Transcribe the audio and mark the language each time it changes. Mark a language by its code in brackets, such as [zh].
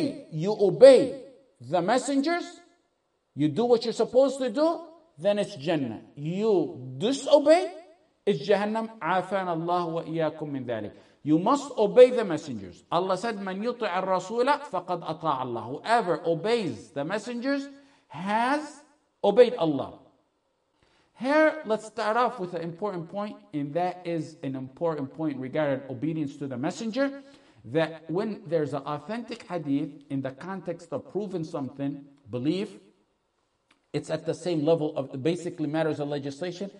[en] You obey the messengers. You do what you're supposed to do. Then it's Jannah. You disobey, it's Jahannam. [ar] عَافَانَ اللَّهُ وَإِيَّاكُمْ مِنْ ذَلِكَ. [en] You must obey the messengers. Allah said, [ar] مَنْ يُطِعَ الرَّسُولَ فَقَدْ أَطَاعَ اللَّهُ. [en] Whoever obeys the messengers has obeyed Allah. Here, let's start off with an important point, and that is an important point regarding obedience to the messenger, that when there's an authentic hadith in the context of proving something, belief, it's at the same level of basically matters of legislation.